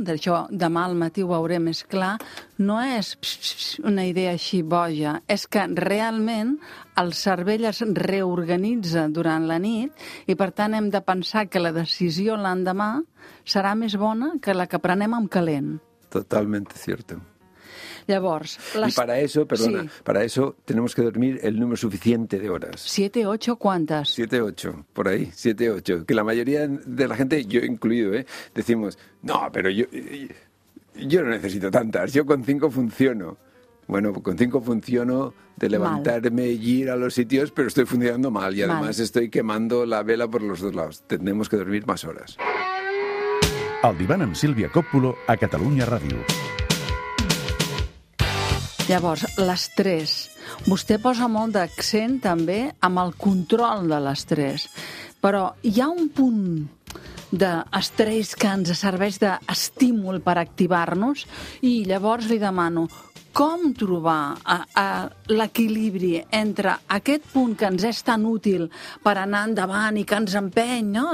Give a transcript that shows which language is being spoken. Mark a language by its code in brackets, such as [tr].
[ca] D'això demà al matí ho veuré més clar. No és una idea així boja, és que realment el cervell es reorganitza durant la nit i per tant hem de pensar que la decisió l'endemà serà més bona que la que prenem en calent. [es] Totalmente cierto. [ca] Llavors, [es] y para eso, perdona, sí. Para eso tenemos que dormir el número suficiente de horas. ¿Siete, ocho, cuántas? Siete, ocho, por ahí, siete, ocho. Que la mayoría de la gente, yo incluido, decimos, no, pero yo no necesito tantas, yo con cinco funciono. Bueno, con cinco funciono de levantarme mal y ir a los sitios, pero estoy funcionando mal y además estoy quemando la vela por los dos lados. Tenemos que dormir más horas. [ca] El diván amb Sílvia Còpolo a Catalunya Ràdio. Llavors, l'estrès. Vostè posa molt d'accent també amb el control de l'estrès. Però hi ha un punt d'estrès que ens serveix d'estímul per activar-nos i llavors li demano com trobar l'equilibri entre aquest punt que ens és tan útil per anar endavant i que ens empeny, no?